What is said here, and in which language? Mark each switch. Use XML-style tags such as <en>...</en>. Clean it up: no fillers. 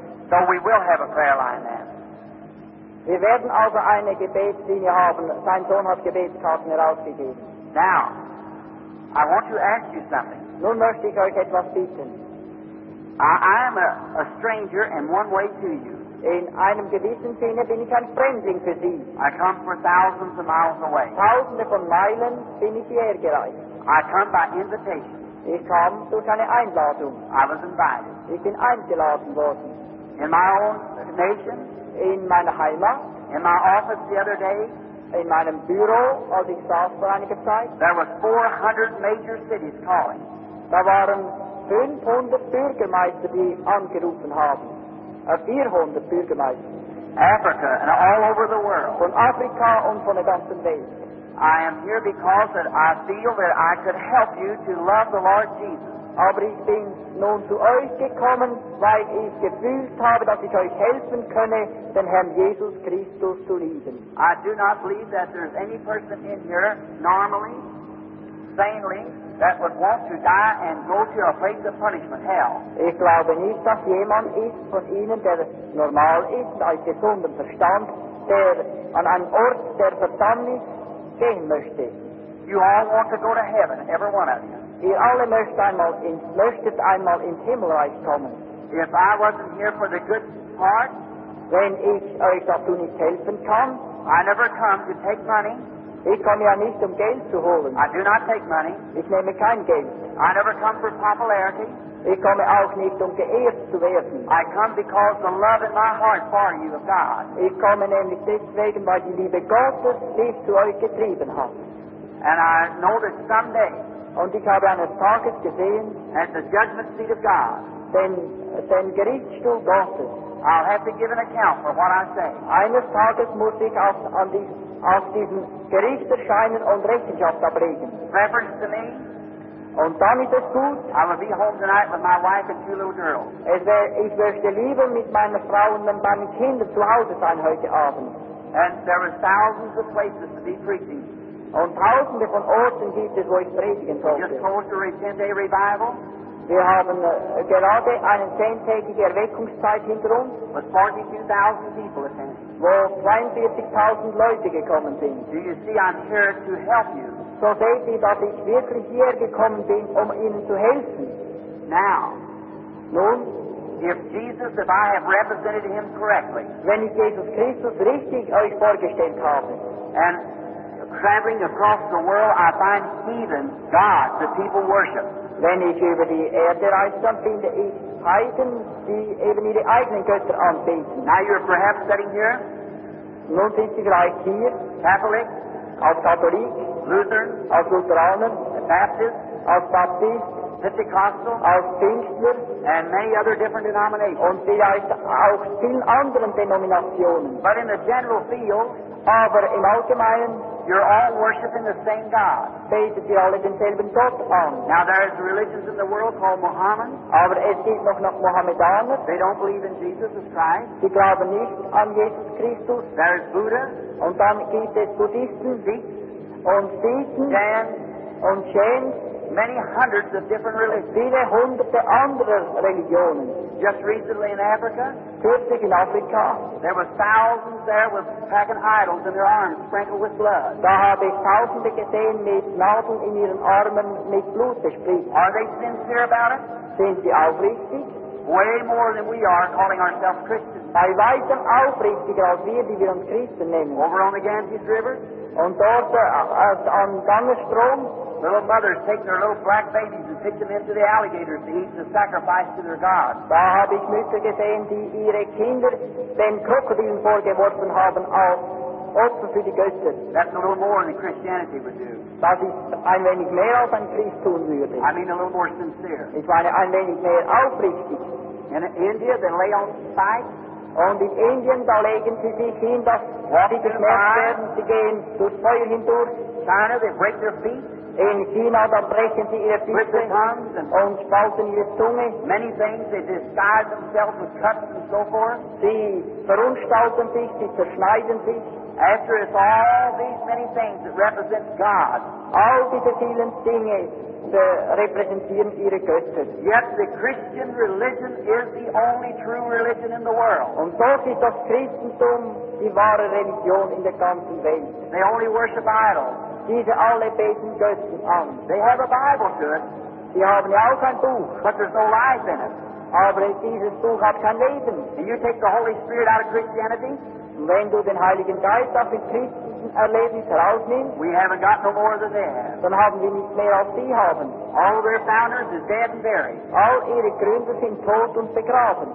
<en>So we will have a prayer line then.</en> <de>Wir werden also eine Gebetslinie haben. Sein Sohn hat Gebetskarten herausgegeben.</de> <en>Now, I want to ask you something.</en> <de>Nun möchte ich euch etwas bitten.</de> <en>I am a stranger in one way to you.</en> <de>In einem gewissen Sinne bin ich ein Fremdling für Sie.</de> <en>I come from thousands of miles away.</en> <de>Tausende von Meilen bin ich hierher gereist.</de> <en>I come by invitation.</en> <de>Ich komme durch eine Einladung.</de> <en>I was invited.</en> <de>Ich bin eingeladen worden.</de> <en>In my own nation.</en> <de>In meiner Heimat.</de> <en>In my office the other day.</en> <de>In meinem Büro, als ich saß vor einiger Zeit.</de> <en>There were 400 major cities calling.</en> <de>Da waren 500 Bürgermeister, die angerufen haben. 400 Bürgermeister.</de> <en>Africa and all over the world.</en> <de>Von Afrika und von der ganzen Welt.</de> <en>I am here because that I feel that I could help you to love the Lord Jesus.</en> <de>Aber ich bin nun zu euch gekommen, weil ich gefühlt habe, dass ich euch helfen könne, den Herrn Jesus Christus zu lieben.</de> <en>I do not believe that there's any person in here normally, sanely, that would want to die and go to a place of punishment, hell.</en> <de>Ich glaube nicht, dass jemand ist von Ihnen, der normal ist, aus gesundem Verstand, der an einem Ort der Verdammnis gehen möchte.</de> <en>You all want to go to heaven, every one of you.</en> <de>Ihr alle möchtet einmal ins Himmelreich kommen.</de> <en>If I wasn't here for the good part,</en> <de>wenn ich euch dazu nicht helfen kann,</de> <en>I never come to take money.</en> <de>Ich komme ja nicht, um Geld zu holen.</de> <en>I do not take money.</en> <de>Ich nehme kein Geld.</de> <en>I never come for popularity.</en> <de>Ich komme auch nicht, um geehrt zu werden.</de> <en>I come because the love in my heart for you of God.</en> <de>Ich komme nämlich deswegen, weil die Liebe Gottes mich zu euch getrieben hat.</de> <en>And I know that someday,</en> <de>und ich habe eines Tages gesehen,</de> <en>at the judgment seat of God,</en> <de>den Gerichtsstuhl Gottes,</de> <en>I'll have to give an account for what I say.</en> <de>Eines Tages muss ich auf diesem Gericht erscheinen und Rechenschaft ablegen.</de> <en>Reference to me.</en> <de>Und dann ist es gut.</de> <en>I will be home tonight with my wife and two little girls.</en> <de>Ich möchte lieber mit meiner Frau und meinen Kindern zu Hause sein heute Abend.</de> <en>And there are thousands of places to be preaching.</en> <de>Und tausende von Orten gibt es, wo ich predigen sollte.</de> <en>We just told you a 10-day revival.</en> <de>Wir haben gerade eine 10-tägige Erweckungszeit hinter uns,</de> <en>with 42,000 people attending.</en> <de>Wo 42,000 Leute gekommen sind.</de> <en>Do you see I'm here to help you?</en> <de>So seht ihr, dass ich wirklich hier gekommen bin, um Ihnen zu helfen.</de> <en>Now,</en> <de>nun,</de> <en>if I have represented Him correctly,</en> <de>wenn ich Jesus Christus richtig euch vorgestellt habe,</de> <en>and traveling across the world, I find heathens, gods, that people worship.</en> <de>wenn ich über die Erde reise, dann finde ich Heiden, die eben ihre eigenen Götter anbeten.</de> <en>Now you're perhaps sitting here.</en> <de>Nun sitze ich vielleicht hier.</de> <en>Catholic.</en> <de>Als Katholik.</de> <en>Lutheran.</en> <de>Als Lutheraner.</de> <en>Baptist.</en> <de>Als Baptist.</de> <en>Pentecostal.</en> <de>Als Pfingstler.</de> <en>And many other different denominations.</en> <de>Und vielleicht auch vielen anderen Denominationen.</de> <en>But in the general field.</en> <de>Aber im Allgemeinen.</de> <en>You're all worshiping the same God.</en> <de>Betet ihr alle denselben Gott an.</de> <en>Now there is religions in the world called Mohammedan.</en> <de>Aber es gibt noch Mohammedaner.</de> <en>They don't believe in Jesus as Christ.</en> <de>Sie glauben nicht an Jesus Christus.</de> <en>There is Buddha.</en> <de>Und dann gibt es Buddhisten.</de> <en>Sikhs.</en> <de>Und Sikhen.</de> <en>Jain.</en> <de>Und Jain.</de> <en>Many hundreds of different religions.</en> <de>Viele hunderte andere Religionen.</de> <en>Just recently in Africa.</en> <de>Kürzlich in Afrika.</de> <en>There were thousands there with pagan idols in their arms, sprinkled with blood.</en> <de>Da habe ich tausende gesehen mit Nadeln in ihren Armen mit Blut besprüht.</de> <en>Are they sincere about it?</en> <de>Sind sie aufrichtig?</de> <en>Way more than we are calling ourselves Christians.</en> <de>Bei weitem aufrichtiger als wir, die wir uns Christen nennen.</de> <en>Over on the Ganges River.</en> <de>Und dort am Gangesstrom.</de> <en>Little mothers take their little black babies and pitch them into the alligators to eat the sacrifice to their God.</en> <de>Da habe ich Mütter gesehen, die ihre Kinder den Krokodilen vorgeworfen haben als Opfer für die Götter.</de> <en>That's a little more than Christianity would do.</en> <de>Das ist ein wenig mehr als ein Christ tun würde.</de> <en>I mean a little more sincere.</en> <de>Ich meine ein wenig mehr aufrichtig.</de> <en>In India, they lay on spikes.</en> <de>Und in Indien, da legen sie sich hin, dass sie geschmerzt werden, sie gehen durchs Feuer hindurch.</de> <en>China, they break their feet.</en> <de>In China, da brechen sie ihre Füße und spalten ihre Zunge.</de> <en>Many things, they disguise themselves with cuts and so forth.</en> <de>Sie verunstalten sich, sie zerschneiden sich.</de> <en>After it's all these many things that represent God.</en> <de>All diese vielen Dinge repräsentieren ihre Götter.</de> <en>Yet the Christian religion is the only true religion in the world.</en> <de>Und doch ist das Christentum die wahre Religion in der ganzen Welt.</de> <en>They only worship idols.</en> <de>Diese alle beten Götzen an.</de> <en>They have a Bible to it.</en> <de>Sie haben ja auch ein Buch.</de> <en>But there's no life in it.</en> <de>Aber dieses Buch hat kein Leben.</de> <en>Do you take the Holy Spirit out of Christianity?</en> <de>Wenn du den Heiligen Geist auf den Christen erlebst, herausnimmst,</de> <en>we haven't got no more than they have.</en> <de>Dann haben wir nicht mehr als sie haben.</de> <en>All their founders is dead and buried.</en> <de>All ihre Gründer sind tot und begraben.</de>